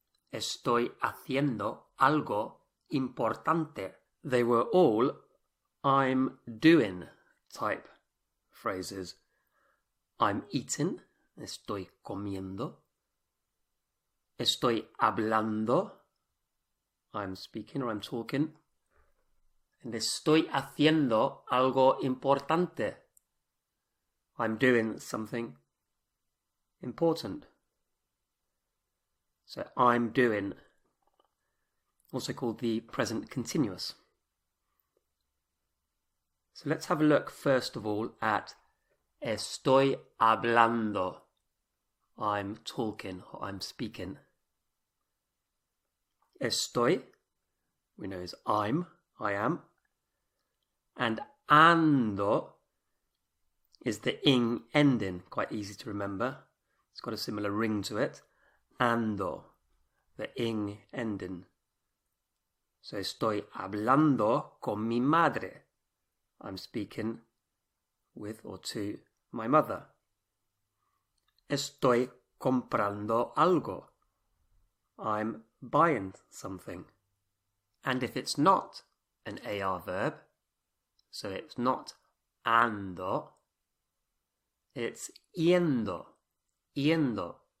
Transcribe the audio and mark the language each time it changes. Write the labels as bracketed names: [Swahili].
[Spanish] Estoy haciendo algo importante. [English] They were all I'm doing type phrases. I'm eating. [Spanish] Estoy comiendo. Estoy hablando. [English] I'm speaking or I'm talking. [Spanish] And estoy haciendo algo importante. [English] I'm doing something important. So I'm doing, also called the present continuous. So let's have a look first of all at [Spanish] estoy hablando. [English] I'm talking or I'm speaking. Estoy, we know is I'm, I am. And ando is the ing ending, quite easy to remember. It's got a similar ring to it. Ando, the ing ending. [Spanish] So estoy hablando con mi madre. [English] I'm speaking with or to my mother. [Spanish] Estoy comprando algo. [English] I'm buying something. And if it's not an AR verb, so it's not ando, it's yendo, yendo.